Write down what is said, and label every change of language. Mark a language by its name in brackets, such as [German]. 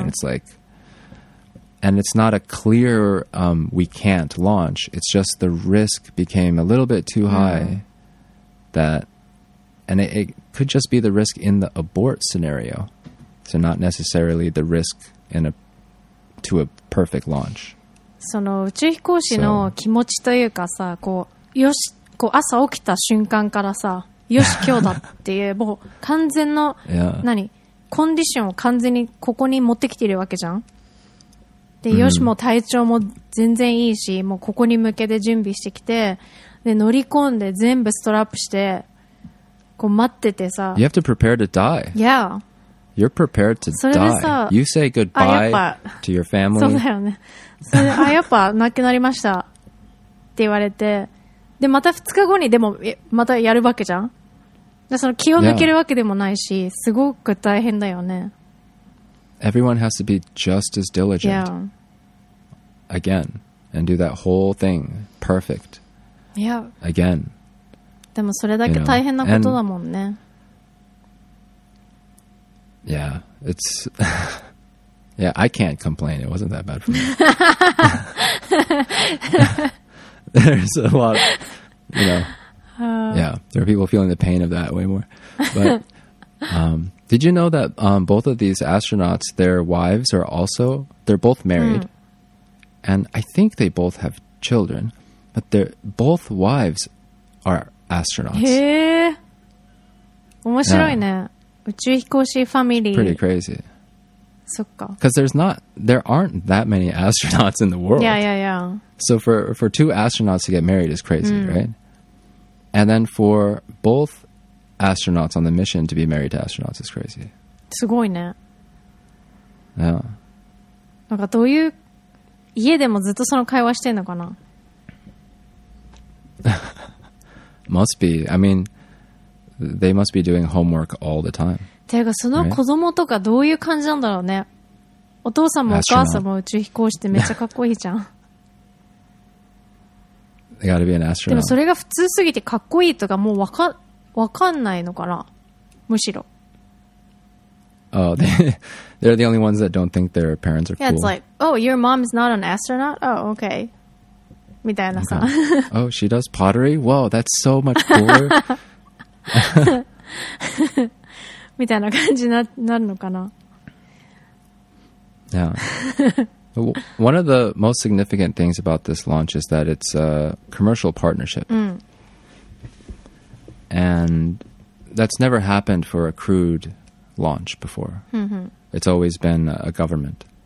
[English] And it's like, and it's not a clear, we can't launch. It's just the risk became a little bit too high that, and it could just be the risk in the abort scenario. So not necessarily the risk in to a perfect launch. [Japanese] その宇宙飛行士の気持ちというかさ、こうよし、こう朝起きた瞬間からさ、よし今日だっていう、もう完全の、 [English] yeah. [Japanese] 何コンディションを完全にここに持ってきてるわけじゃん。で、よしも体調も全然いいし、もうここに向けて準備してきて、で、乗り込んで全部ストラップして、こう待っててさ。 [English] You have to prepare to die. Yeah. You're prepared to die. You say goodbye to your family. [Japanese] そうだよね。それで、あ、やっぱ亡くなりました。って言われて、で、また2日後にでも、またやるわけじゃん。で、その気を抜けるわけでもないし、すごく大変だよね。 [English] Everyone has to be just as diligent. Yeah. Again. And do that whole thing perfect. Yeah. Again. [Japanese] でもそれだけ大変なことだもんね。 [English] Yeah. It's... yeah, I can't complain. It wasn't that bad for me. There's a lot of, you know... yeah. There are people feeling the pain of that way more. But... did you know that both of these astronauts, their wives are also, they're both married. And I think they both have children, but their both wives are astronauts. [Japanese] へえ。面白いね。宇宙飛行士ファミリー。 [English] Pretty crazy. [Japanese] そっか。 [English] Because there aren't that many astronauts in the world. Yeah, yeah, yeah. So for two astronauts to get married is crazy, right? And then for both... astronauts on the mission to be married to astronauts is crazy. [Japanese] すごいね。 [English] Yeah. [Japanese] なんかどういう家でもずっとその会話してんのかな。 [English] Must be. I mean, they must be doing homework all the time. [Japanese] てかその子供とかどういう感じなんだろうね。お父さんもお母さんも宇宙飛行士ってめっちゃかっこいいじゃん。 [English] They gotta be an astronaut. [Japanese] でもそれが普通すぎてかっこいいとかもうわかんないのかな、むしろ。 [English] Oh, they're the only ones that don't think their parents are cool. Yeah, it's like, oh, your mom is not an astronaut? Oh, okay. [Japanese] みたいなさ。 [English] Okay. Oh, she does pottery? Wow, that's so much cooler. [Japanese] みたいな感じになるのかな。 [English] Yeah. One of the most significant things about this launch is that it's a commercial partnership. [Japanese] うん。 [English] And that's never happened for a crewed launch before. It's always been a government.